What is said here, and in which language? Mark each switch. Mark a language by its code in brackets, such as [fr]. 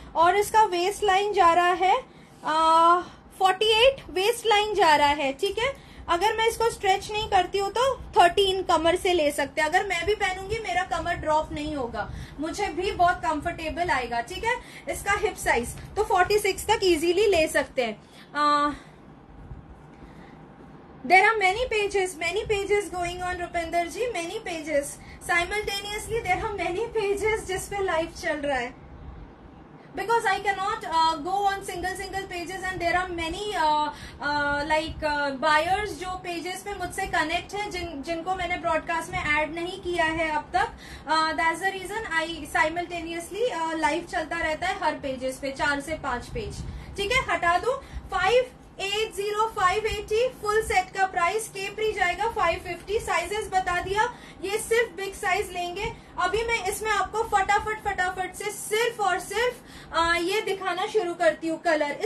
[hi] और इसका waste line जा रहा है 48 वेस्ट लाइन जा रहा है, ठीक है। अगर मैं इसको स्ट्रेच नहीं करती हूँ तो 13 कमर से ले सकते हैं, अगर मैं भी पहनूंगी मेरा कमर ड्रॉप नहीं होगा, मुझे भी बहुत कंफर्टेबल आएगा, ठीक है। इसका हिप साइज तो 46 तक इजीली ले सकते हैं। [en] There are many pages going on, Rupinder ji, many pages. Simultaneously, there are many pages [hi] जिस पे लाइव चल रहा है. [en] Because I cannot go on single pages and there are many buyers [hi] जो pages पे मुझसे connect हैं, जिनको मैंने broadcast में add नहीं किया है अब तक. [en] That's the reason I simultaneously live [hi] चलता रहता है हर pages पे, 4 से 5 page. ठीक है, हटा दूं 580, 580 फुल सेट का प्राइस, केपरी जाएगा 550, साइजेस बता दिया, ये सिर्फ बिग साइज लेंगे। अभी मैं इसमें आपको फटाफट से सिर्फ और सिर्फ ये दिखाना शुरू करती हूँ कलर।